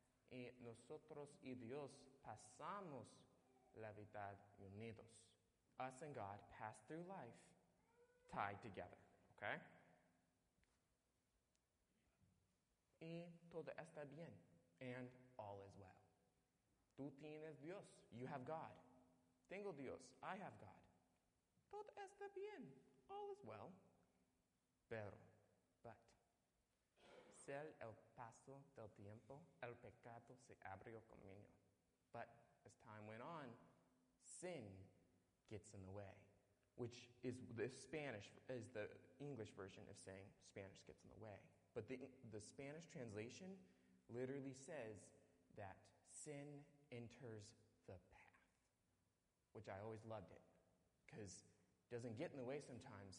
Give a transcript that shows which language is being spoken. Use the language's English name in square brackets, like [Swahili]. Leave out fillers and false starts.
[Spanish] Y nosotros y Dios pasamos la vida unidos. [English] Us and God pass through life tied together. Okay? [Spanish] Y todo está bien. [English] And all is well. [Spanish] Tú tienes Dios. [English] You have God. [Spanish] Tengo Dios. [English] I have God. [Spanish] Todo está bien. [English] All is well. But. [Spanish] Sel el paso del tiempo, el pecado se abrió camino. [English] But as time went on, sin gets in the way. Which is the Spanish, is the English version of saying Spanish gets in the way. But the Spanish translation literally says that sin enters the path, which I always loved it, because it doesn't get in the way sometimes.